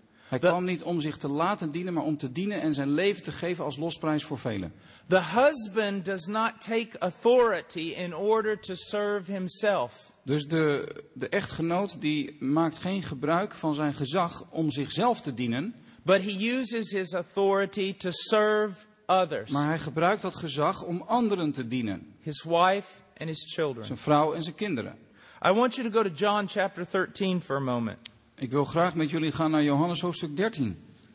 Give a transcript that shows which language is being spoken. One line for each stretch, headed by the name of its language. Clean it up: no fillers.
Dutch: Hij kwam niet om zich te laten dienen, maar om te dienen en zijn leven te geven als losprijs voor velen.
English: The husband does not take authority in order to serve himself.
Dutch: Dus de echtgenoot die maakt geen gebruik van zijn gezag om zichzelf te dienen.
English: But he uses his authority to serve others.
Dutch: Maar hij gebruikt dat gezag om anderen te dienen.
English: His wife and his children.
Dutch: Zijn vrouw en zijn kinderen.
English: I want you to go to John chapter 13 for a moment.
Dutch: Ik wil graag met jullie gaan naar Johannes hoofdstuk 13.